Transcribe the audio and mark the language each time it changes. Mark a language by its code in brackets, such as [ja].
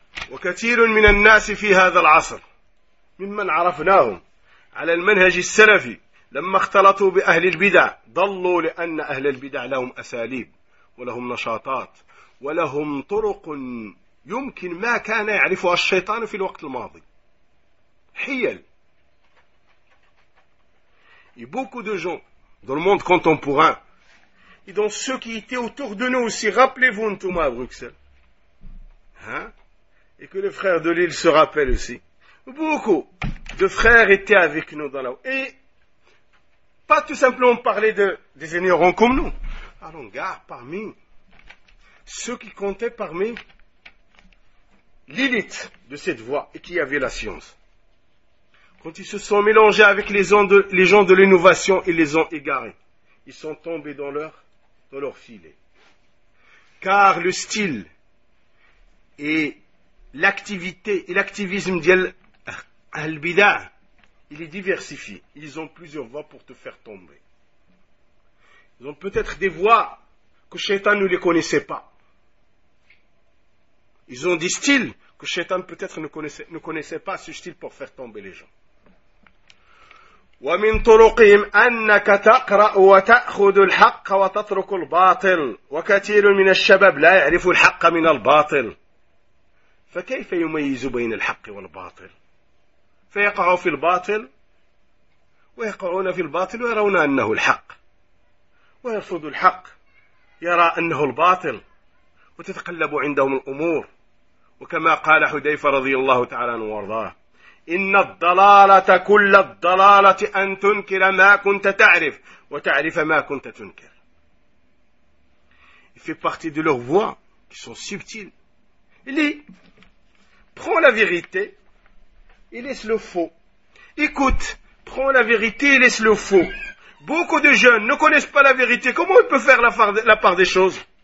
[ar] وكثير من الناس في هذا العصر ممن عرفناهم على المنهج السلفي لما اختلطوا بأهل البدع ضلوا، لأن أهل البدع لهم أساليب ولهم نشاطات ولهم طرق يمكن ما كان يعرفها الشيطان في الوقت الماضي، حيل. [fr] Et beaucoup de gens dans le monde contemporain et dans ceux qui étaient autour de nous aussi, rappelez-vous Ntouma à Bruxelles, hein, et que les frères de Lille se rappellent aussi. Beaucoup de frères étaient avec nous dans la... Et pas tout simplement parler des ignorants comme nous. Allons, gars, parmi ceux qui comptaient parmi l'élite de cette voie et qui avait la science. Quand ils se sont mélangés avec les gens de l'innovation, ils les ont égarés. Ils sont tombés dans leur filet. Car le style et l'activité et l'activisme d'Al Bida, il est diversifié. Ils ont plusieurs voies pour te faire tomber. Ils ont peut-être des voies que Shaitan ne les connaissait pas. Ils ont des styles que Shaitan peut-être ne connaissait pas, ce style pour faire tomber les gens. [ar] ومن طرقهم أنك تقرأ وتأخذ الحق وتترك الباطل وكثير من الشباب لا يعرف الحق من الباطل فكيف يميز بين الحق والباطل فيقع في الباطل ويقعون في الباطل ويرون أنه الحق ويرفض الحق يرى أنه الباطل وتتقلب عندهم الأمور وكما قال حذيفة رضي الله تعالى عنه وارضاه إن الضلالة كل الضلالة أن تنكر ما كنت تعرف وتعرف ما كنت تنكر. [fr] Il fait partie de leurs voix qui sont subtiles. Il dit, prends la vérité et laisse le faux. Écoute, prends la vérité et laisse le faux. Beaucoup de jeunes ne connaissent pas la vérité. Comment ils peuvent faire la part des choses?